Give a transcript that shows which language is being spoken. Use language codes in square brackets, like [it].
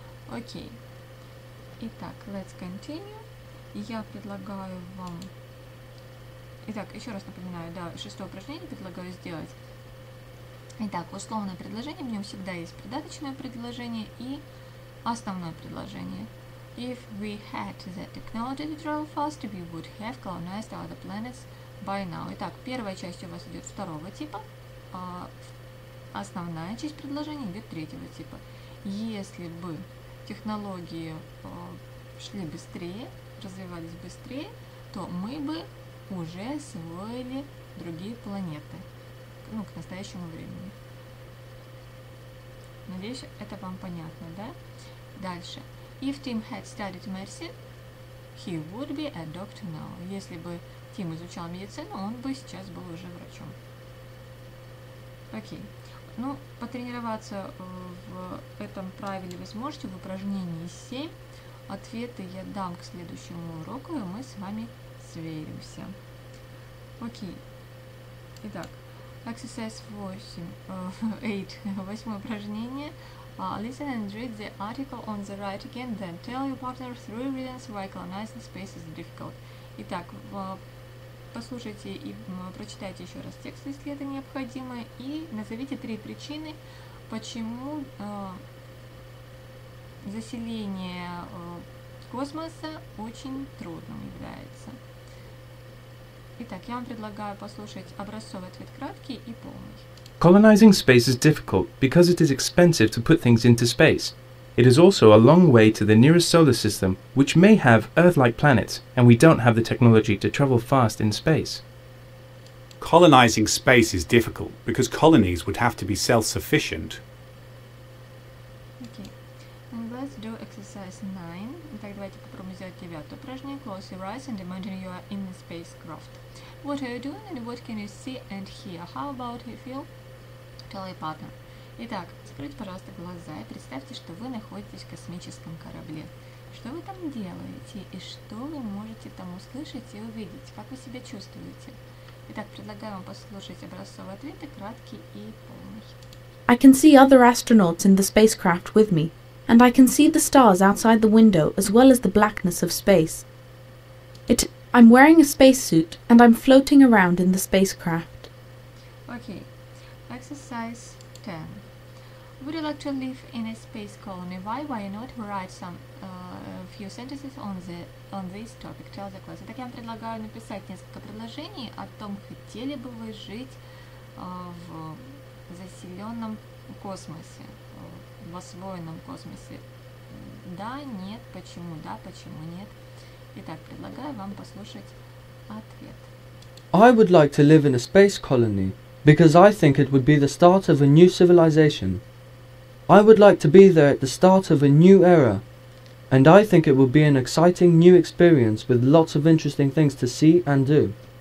[ru] Окей. Итак, [en] let's continue. [ru] Я предлагаю вам... Итак, еще раз напоминаю, да, шестое упражнение предлагаю сделать. Итак, условное предложение. В нем всегда есть придаточное предложение и основное предложение. [en] If we had the technology to travel faster, we would have colonized other planets by now. [ru] Итак, первая часть у вас идет второго типа. Основная часть предложения идет третьего типа. Если бы технологии шли быстрее, развивались быстрее, то мы бы уже освоили другие планеты, ну, к настоящему времени. Надеюсь, это вам понятно, да? Дальше. [en] If Tim had studied medicine, he would be a doctor now. [ru] Если бы Тим изучал медицину, он бы сейчас был уже врачом. Окей. Ну, потренироваться в этом правиле вы сможете в упражнении 7. Ответы я дам к следующему уроку, и мы с вами сверимся. Окей. Итак, [en] exercise 8. [ru] 8 упражнение. [en] Listen and read the article on the right again, then tell your partner three reasons why colonizing space is difficult. [ru] Итак, послушайте и прочитайте еще раз текст, если это необходимо, и назовите три причины, почему заселение космоса очень трудным является. Итак, я вам предлагаю послушать образцовый ответ краткий и полный. [en] Colonizing space is difficult because it is expensive to put things into space. It is also a long way to the nearest solar system, which may have Earth-like planets, and we don't have the technology to travel fast in space. Colonizing space is difficult because colonies would have to be self-sufficient. Okay, and let's do exercise 9. [ru] Итак, давайте попробуем сделать девятое упражнение. [en] Close your eyes and imagine you are in a spacecraft. What are you doing and what can you see and hear? How about you feel? Tell your partner. [ru] Итак, закройте, пожалуйста, глаза и представьте, что вы находитесь в космическом корабле. Что вы там делаете и что вы можете там услышать и увидеть? Как вы себя чувствуете? Итак, предлагаю вам послушать образцовые ответы, краткий и полный. [en] I can see other astronauts in the spacecraft with me, and I can see the stars outside the window as well as the blackness of space. I'm wearing a spacesuit, and I'm floating around in the spacecraft. Okay. Exercise 10. Would you like to live in a space colony? Why not? Write some few sentences on this topic. Tell the class. [ru] Итак, я вам предлагаю написать несколько предложений о том, хотели бы вы жить в заселенном космосе, в освоенном космосе. Да, нет, почему да, почему нет. Итак, предлагаю вам послушать ответ. [en] I would like to live in a space colony because I think it would be the start of a new civilization. I would like to be there at the start of a new era, and I think it would be an exciting new experience with lots of interesting things to see and do.